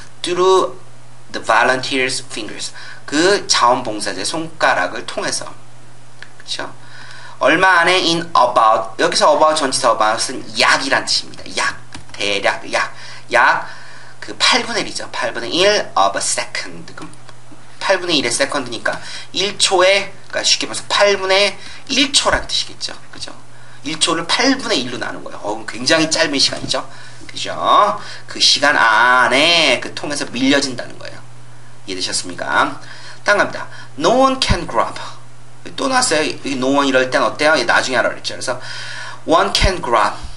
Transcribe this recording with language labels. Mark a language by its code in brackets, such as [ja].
[en] Through the volunteer's fingers. [ko] 그 자원봉사자의 손가락을 통해서. 그죠? 얼마 안에 [en] in about, [ko] 여기서 about 전치사 about은 약이란 뜻입니다. 약, 대략, 약. 약, 그 8분의 1이죠. 8분의 1 [en] of a second. [ko] 그럼 8분의 1의 second니까 1초에, 그러니까 쉽게 말해서 8분의 1초란 뜻이겠죠. 그죠? 1초를 8분의 1로 나누는 거예요. 굉장히 짧은 시간이죠. 그죠? 그 시간 안에 그 통해서 밀려진다는 거예요. 이해되셨습니까? 다음 갑니다. [en] No one can grab. [ko] 또 나왔어요. 여기 no one 이럴 땐 어때요? 나중에 하라고 그랬죠. [en] 그래서 one can grab.